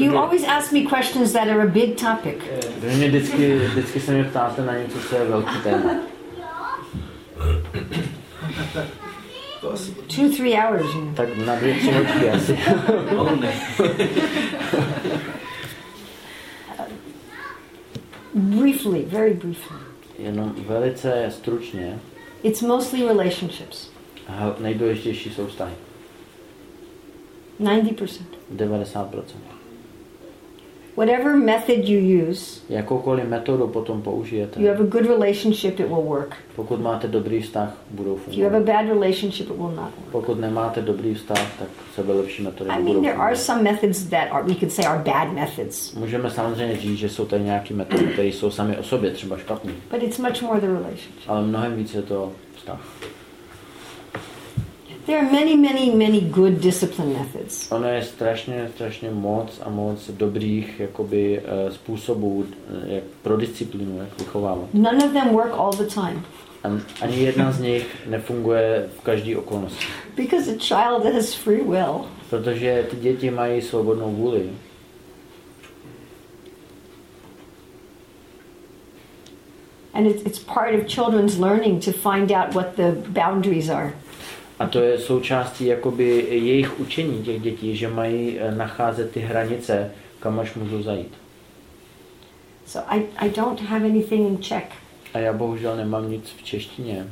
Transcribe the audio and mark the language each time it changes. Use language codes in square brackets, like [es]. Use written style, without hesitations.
[en] You always ask me questions that are a big topic. [cs] Vždycky se mě ptáte na něco, co je velký téma. [en] Two, 3 hours. [cs] Tak na 2-3 hodiny asi. [en] Briefly, very briefly. [cs] Jenom velice stručně. [en] It's mostly relationships. [cs] Nejdůležitější jsou vztahy. [en] 90%. [cs] 90%. [en] Whatever method you use. [cs] Jakoukoliv metodu potom použijete. [en] You have a good relationship, it will work. [cs] Pokud máte dobrý vztah, budou fungovat. [en] If you have a bad relationship, it will not work. [cs] Pokud nemáte dobrý vztah, tak sebelepší metody nebudou fungovat. [en] I mean, there are some methods that are, we could say, are bad methods. [cs] Můžeme samozřejmě říct, že jsou tady nějaké metody, které jsou sami o sobě třeba špatné. [en] But it's much more the relationship. [cs] Ale mnohem víc je to vztah. [en] There are many, many, many good discipline methods. [cs] Ono je strašně, strašně moc a moc dobrých jakoby způsobů jak pro disciplínu, jak vychovávat. [en] None of them work all the time. [cs] Ani jedna z nich nefunguje v každý okolnosti. [en] Because a child has free will. [cs] Protože ty děti mají svobodnou vůli. [en] And it's part of children's learning to find out what the boundaries are. [cs] A to je součástí jakoby jejich učení těch dětí, že mají nacházet ty hranice, kam až můžou zajít. [en] So I don't have anything in Czech. [cs] A já bohužel nemám nic v češtině.